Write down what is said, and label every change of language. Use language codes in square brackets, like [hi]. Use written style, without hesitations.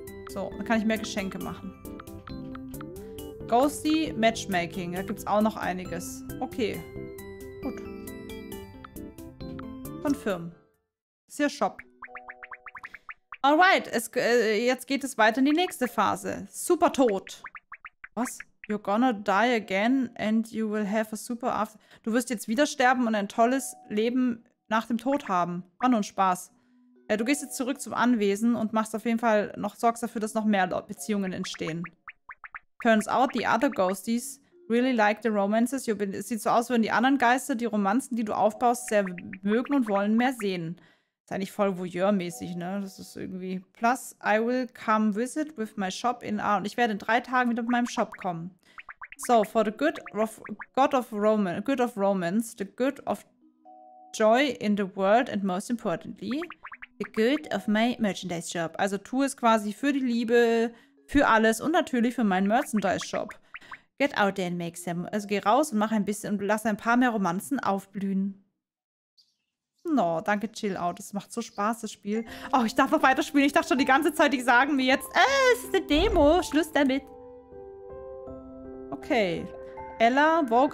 [de] So, dann kann ich mehr Geschenke machen. Ghosty Matchmaking. Da gibt es auch noch einiges. Okay. Gut. Confirm. Das ist ja Shop. Alright. Jetzt geht es weiter in die nächste Phase. Super tot. Was? [en] You're gonna die again and you will have a super after. [de] Du wirst jetzt wieder sterben und ein tolles Leben nach dem Tod haben. War nur ein Spaß. Ja, du gehst jetzt zurück zum Anwesen und machst auf jeden Fall noch, sorgst dafür, dass noch mehr Beziehungen entstehen. [en] Turns out the other ghosties really like the romances. [de] Es sieht so aus, würden die anderen Geister die Romanzen, die du aufbaust, sehr mögen und wollen mehr sehen. Ist eigentlich voll voyeur-mäßig, ne? Das ist irgendwie... [en] Plus, I will come visit with my shop in... [de] Und ich werde in 3 Tagen wieder mit meinem Shop kommen. [en] So, for the good of romance, the good of joy in the world and most importantly, the good of my merchandise shop. [de] Also tu es quasi für die Liebe, für alles und natürlich für meinen Merchandise shop. Get out there and make some... Also geh raus und mach ein bisschen und lass ein paar mehr Romanzen aufblühen. No, danke, Chill Out. Das macht so Spaß, das Spiel. Oh, ich darf noch weiterspielen. Ich dachte schon die ganze Zeit, die sagen mir jetzt, es ist eine Demo. Schluss damit. Okay. Ella, Vogue.